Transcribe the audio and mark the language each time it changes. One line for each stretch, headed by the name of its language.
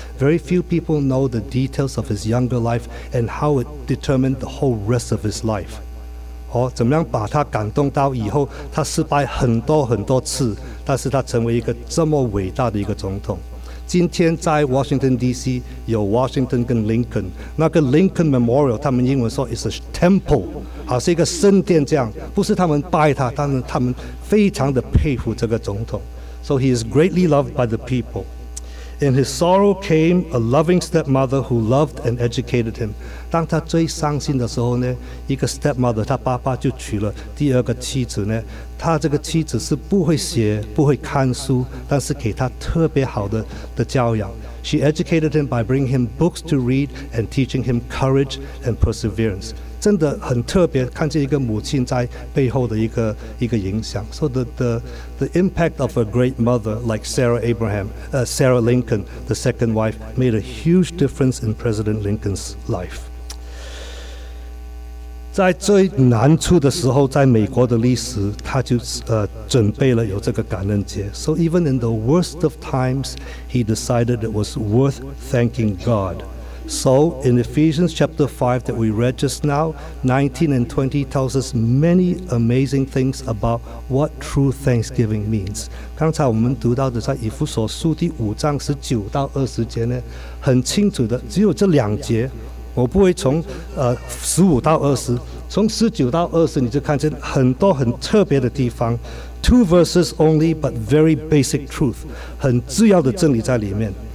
English: Very few people know the details of his younger life and how it determined the whole rest of his life。
Chinese: 哦，怎么样把他感动到以后他失败很多很多次，但是他成为一个这么伟大的一个总统。今天在 Washington DC 有 Washington 跟 Lincoln， 那个 Lincoln Memorial 他们英文说
English: is a temple，
Chinese: 好是一个圣殿这样，不是他们拜他，但是他们非常的佩服这个总统。
English: So he is greatly loved by the people. In his sorrow came a loving stepmother who loved and educated him.
Chinese: 当他最伤心的时候呢，一个 stepmother， 他爸爸就娶了第二个妻子呢，他这个妻子是不会写不会看书，但是给他特别好 的教养。
English: She educated him by bringing him books to read and teaching him courage and perseverance.
Chinese: 真的很特别，看见一个母亲在背后的一个影响。
English: So the impact of a great mother like Sarah Lincoln, the second wife, made a huge difference in President Lincoln's life.
Chinese: 在最难处的时候，在美国的历史，他就准备了有这个感恩节。
English: So even in the worst of times, he decided it was worth thanking God. So in Ephesians chapter 5 that we read just now, 19 and 20 tells us many amazing things about what true thanksgiving means.
Chinese: 刚才我们读到的在以弗所书第五章19-20节呢，很清楚的，只有这两节。我不会从15-20，从19-20，你就看见很多很特别的地方。
English: Two verses only, but very basic truth，
Chinese: 很重要的真理在里面。